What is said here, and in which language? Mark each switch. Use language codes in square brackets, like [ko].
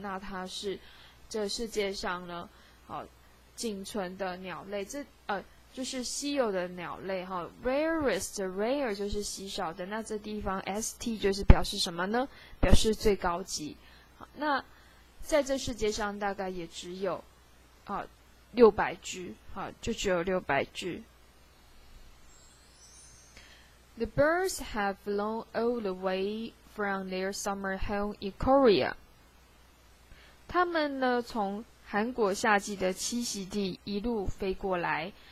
[zh] 那它是这世界上呢，好，仅存的鸟类，就是稀有的鸟类哈。 Rarest，rare 就是稀少的。那这地方 ST 就是表示什么呢？表示最高级。好，那在这世界上大概也只有600只，好，就只有600只。 [en] The birds have flown all the way from their summer home in Korea. [zh] 他们呢，从韩国夏季的栖息地一路飞过来。